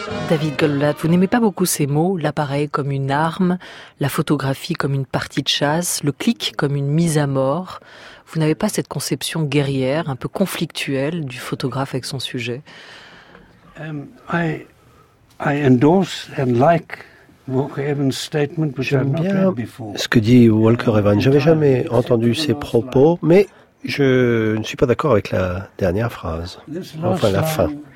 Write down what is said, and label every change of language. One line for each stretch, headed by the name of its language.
French: David Goldblatt, vous n'aimez pas beaucoup ces mots, l'appareil comme une arme, la photographie comme une partie de chasse, le clic comme une mise à mort. Vous n'avez pas cette conception guerrière, un peu conflictuelle, du photographe avec son sujet.
English: I endorse and like Walker Evans' statement, which I've not read before.
French: Ce que dit Walker Evans, j'avais jamais entendu ses propos, mais je ne suis pas d'accord avec la dernière phrase, enfin la fin.